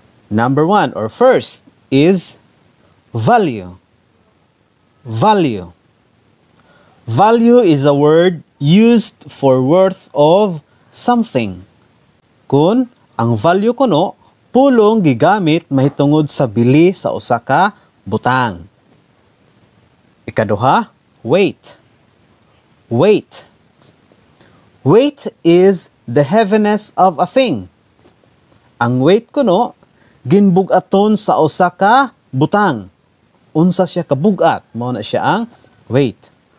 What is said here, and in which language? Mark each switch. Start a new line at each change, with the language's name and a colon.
English: Number one or first is value. Value. Value is a word used for worth of something.
Cebuano: Kun ang value kuno, pulong gigamit mahitungod sa bili sa usa ka butang.
English: Ikaduha, weight. Weight. Weight is the heaviness of a thing.
Cebuano: Ang weight kuno, ginbugaton sa usa ka butang. Unsa siya kabugat, mao na siya ang weight.